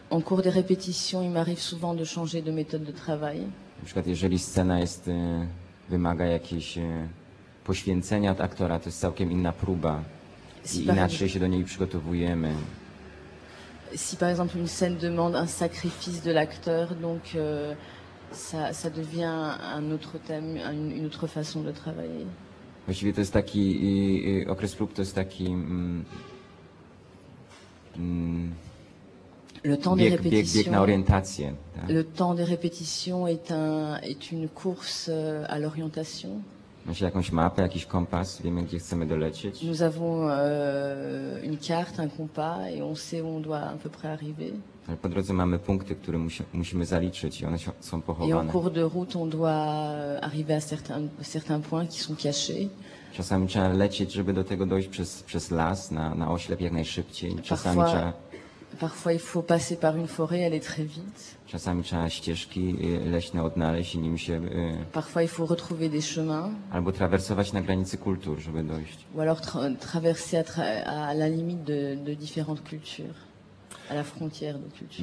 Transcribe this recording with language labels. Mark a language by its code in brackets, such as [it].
[fr] En cours de répétition, il m'arrive souvent de changer de méthode de travail. [pl] Na przykład jeżeli scena jest wymaga jakiejś poświęcenia od aktora, to jest całkiem inna próba. Inaczej się do niej przygotowujemy. [fr] Si par exemple une scène demande un sacrifice de l'acteur, donc ça devient un autre thème, une autre façon de travailler. [pl] Właściwie to jest taki okres prób, to jest taki [fr] le temps de répétition. [pl] Bieg na orientację. Tak? [fr] Le temps de répétition est une course à l'orientation. [pl] Mamy jakąś mapę, jakiś kompas, wiemy, gdzie chcemy dolecieć. [fr] Nous avons une carte, un compas et on sait où on doit à peu près arriver. [pl] Ale po drodze mamy punkty, które musimy zaliczyć i one są pochowane. [fr] Et en cours de route, on doit arriver à certains points qui sont cachés. [pl] Czasami trzeba lecieć, żeby do tego dojść przez las na oślep jak najszybciej. Czasami [fr] parfois il faut passer par une forêt, aller très vite. [pl] Czasami trzeba ścieżki leśne odnaleźć i nim się [fr] parfois il faut retrouver des chemins. [pl] Albo trawersować na granicy kultur, żeby dojść. [fr] Ou alors traverser à la limite de différentes cultures, à la frontière de culture.